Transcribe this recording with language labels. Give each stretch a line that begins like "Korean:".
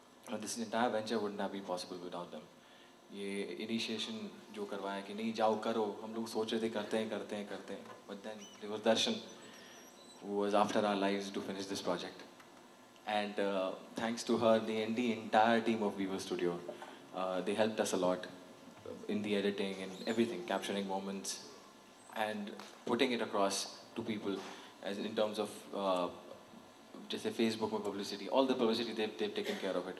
English: And this entire venture would not have been possible without them.
Hindi: ये initiation जो करवाया कि नहीं जाओ करो, हम लोग सोच रहे थे करते हैं करते हैं करते हैं,
English: but then there was Darshan, who was after our lives to finish this project. And thanks to her, the entire team of Vivo Studio, they helped us a lot in the editing and everything, capturing moments and putting it across to people, as in terms of just a Facebook or publicity, all the publicity they've taken care of it.